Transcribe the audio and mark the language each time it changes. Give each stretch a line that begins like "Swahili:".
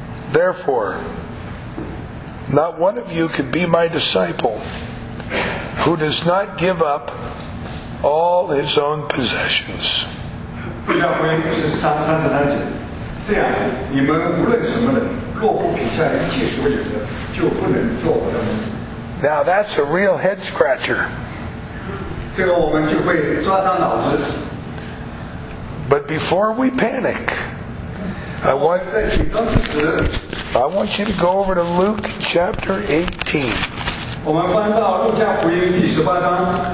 English: Therefore, not one of you could be my disciple who does not give up all his own possessions.
Chinese: 路加福音是33节。这样，你们无论什么人，若不撇下一切所有的，就不能做我的门。
English: Now that's a real head scratcher.
Chinese: 这个我们就会抓伤脑子。
English: But before we panic,I want you to go over to Luke chapter 18.
Chinese: 我们翻到路加福音第十八章。